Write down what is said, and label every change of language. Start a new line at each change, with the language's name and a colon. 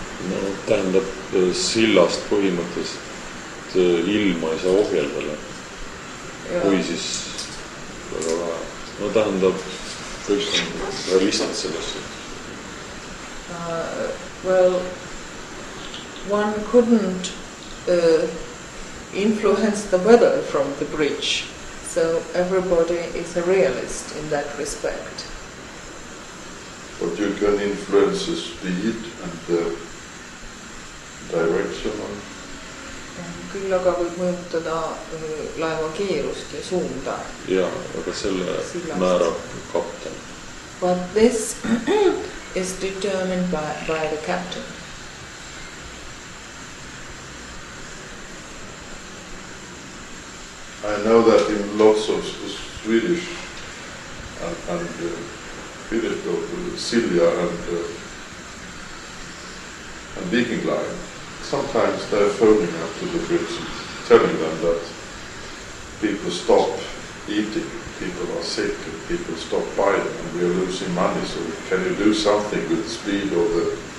Estonian: No, tähendab sillast põhimõtteliselt ilma ei saa ohjeldada. Kui siis väga vaja. No, tähendab, kõik on realistid selles.
English: Well, one couldn't influence the weather from the bridge, so everybody is a realist in that respect. But you can influence the speed and the direction.
Estonian: Küll aga võib mõjutada laeva keerust ja suunda. Jah, aga selle määrab kapten.
English: But this is determined by the captain. I know that in lots of Swedish and Finnish Silja and Viking Line, sometimes they're phoning up to the bridge and telling them that people stop eating, people are sick, and people stop buying, and we are losing money, so can you do something with speed or the...